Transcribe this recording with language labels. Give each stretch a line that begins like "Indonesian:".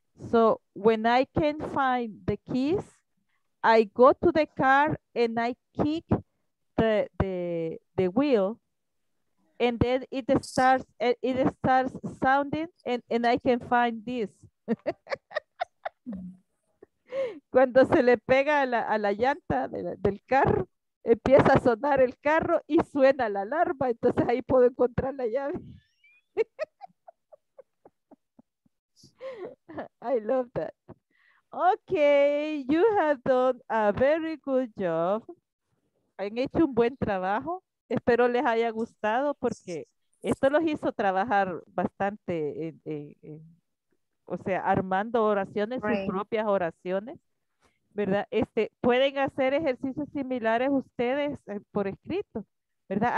English: So when I can't find the keys, I go to the car and I kick the wheel, and then it starts sounding, and I can find this.
Spanish: Cuando se le pega a la llanta del carro, empieza a sonar el carro y suena la alarma, entonces ahí puedo encontrar la llave.
English: I love that. Okay, you have done a very good job.
Spanish: Han hecho un buen trabajo. Espero les haya gustado porque esto los hizo trabajar bastante, o sea, armando oraciones, right. Sus propias oraciones, ¿verdad? Pueden hacer ejercicios similares ustedes por escrito, ¿verdad?